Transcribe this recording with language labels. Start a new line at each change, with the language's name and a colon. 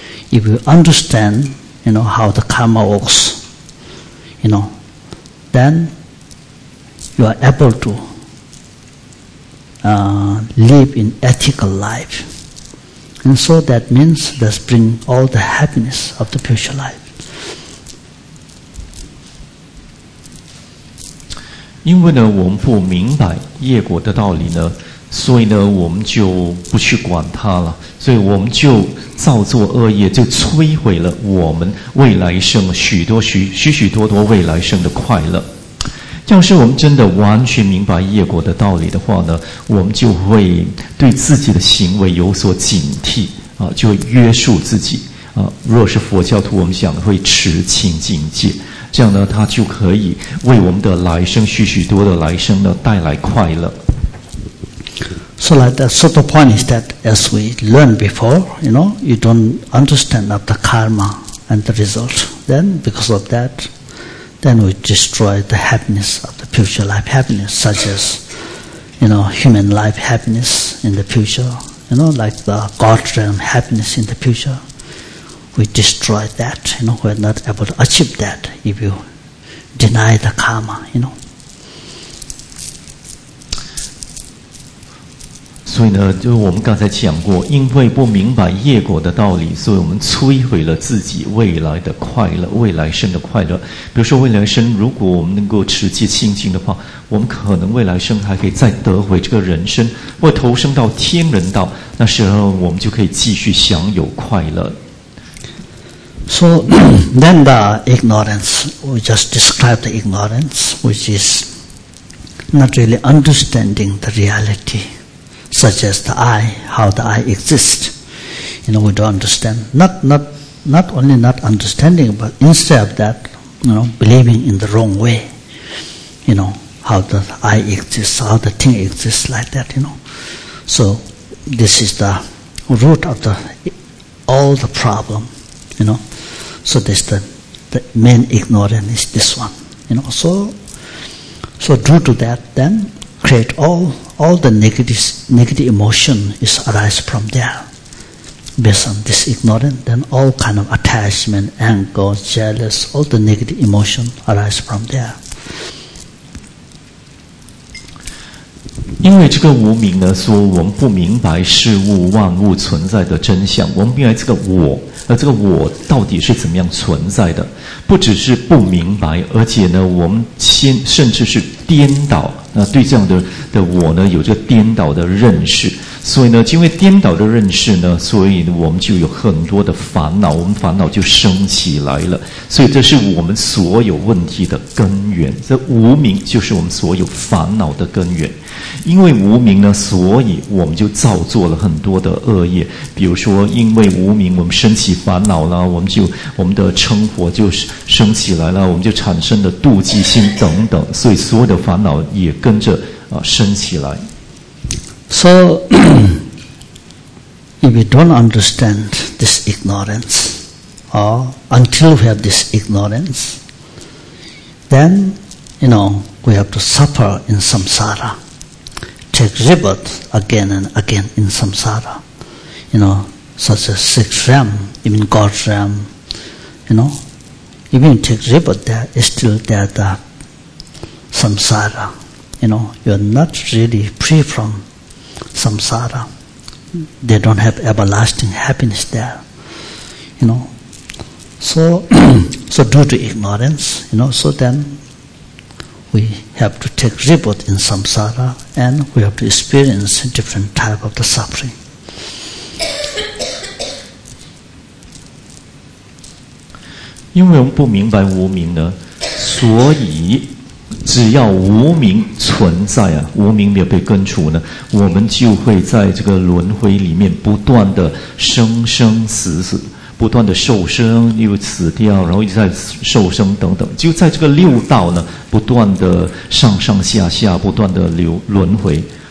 English: If we understand, you know how the karma works, you know, then. You are able to live in ethical life. And so that means that bring all the happiness of the future life.
Chinese: 因为呢我们不明白业果的道理呢，所以呢我们就不去管它了，所以我们就造作恶业，就摧毁了我们未来生许多许多未来生的快乐。要是我们真的完全明白业果的道理的话呢，我们就会对自己的行为有所警惕啊，就会约束自己啊。若是佛教徒，我们讲会持清净戒，这样呢，它就可以为我们的来生许许多的来生呢带来快乐。
English: So like that, so the point is that as we learn before, you know, you don't understand of the karma and the result. Then because of that. Then we destroy the happiness of the future life happiness, such as, you know, human life happiness in the future, you know, like the God realm happiness in the future. We destroy that, you know, we're not able to achieve that if you deny the karma, you know.
Chinese: 所以呢，就我们刚才讲过，因为不明白业果的道理，所以我们摧毁了自己未来的快乐，未来生的快乐。比如说未来生，如果我们能够持戒清净的话，我们可能未来生还可以再得回这个人生，或投生到天人道，那时候我们就可以继续享有快乐。
English: So then the ignorance, we just describe the ignorance, which is not really understanding the reality. Such as the I, how the I exists. You know, we don't understand. Not only not understanding, but instead of that, you know, believing in the wrong way. You know, how the I exists, how the thing exists, like that, you know. So, this is the root of all the problem, you know. So, this the main ignorance is this one, you know. So due to that, then,create all the negative emotion is arise from there. Based on this ignorance, then all kind of attachment, anger, jealous, all the negative emotion arise from there.
Chinese: 因为这个无明呢，说我们不明白事物万物存在的真相，我们明白这个我，而这个我到底是怎么样存在的？不只是不明白，而且呢，我们甚至是颠倒。那对这样的我呢，有这个颠倒的认识，所以呢，因为颠倒的认识呢，所以我们就有很多的烦恼，我们烦恼就升起来了，所以这是我们所有问题的根源，这无明就是我们所有烦恼的根源。因为无明呢，所以我们就造作了很多的恶业，比如说因为无明我们升起烦恼了，我们的嗔火就升起来了，我们就产生了妒忌心等等，所以所有的烦恼也跟着升起来。
English: So if we don't understand this ignorance or until we have this ignorance, then you know we have to suffer in samsara. Take rebirth again and again in samsara. You know, such as sixth realm, even God's realm, you know, even you take rebirth there, it's still there, the samsara, you know, you're not really free from samsara. They don't have everlasting happiness there, you know. So, so due to ignorance, you know, so then we have to take rebirth in samsara and we have to experience different type of the suffering.
Chinese: 因为我们不明白无明呢，所以只要无明存在啊，无明没有被根除呢，我们就会在这个轮回里面不断的生生死死，不断的受生又死掉，然后一直在受生等等，就在这个六道呢不断的上上下下，不断的轮回。